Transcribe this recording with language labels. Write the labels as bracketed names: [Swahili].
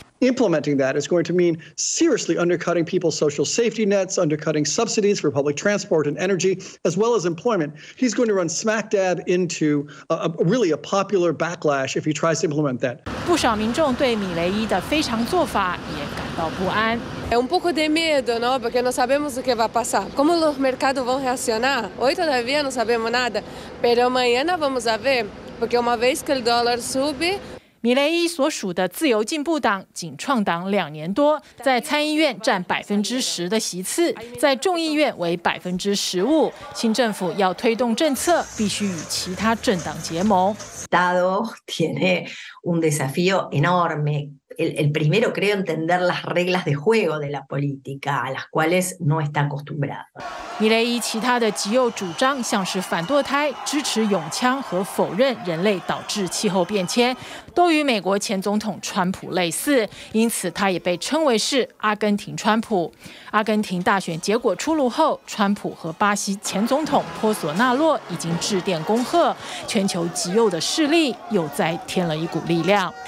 [English] Implementing that is going to mean seriously undercutting people's social safety nets, undercutting subsidies for public transport and energy, as well as employment. He's going to run smack dab into a popular backlash if he tries to implement that. [Chinese] 不少民众对米雷伊的非常做法也感到不安。 [Spanish] É un poco de miedo, ¿no? Porque no sabemos lo que va a pasar. ¿Cómo los mercados van a reaccionar? Hoy todavía no sabemos nada, pero mañana vamos a ver, porque una vez que el dólar sube. [Chinese] 米雷伊所属的自由进步党仅创党2年多，在参议院占10%的席次，在众议院为15%。新政府要推动政策，必须与其他政党结盟。 [Spanish] Estado tiene un desafío enorme. El primero creo entender las reglas de juego de la política a las cuales no está acostumbrado. [Chinese] 米雷伊其他的极右主张像是反堕胎、支持永枪和否认人类导致气候变迁。都与美国前总统川普类似，因此他也被称为是阿根廷川普。阿根廷大选结果出炉后，川普和巴西前总统波索纳洛已经致电恭贺，全球极右的势力又再添了一股力量。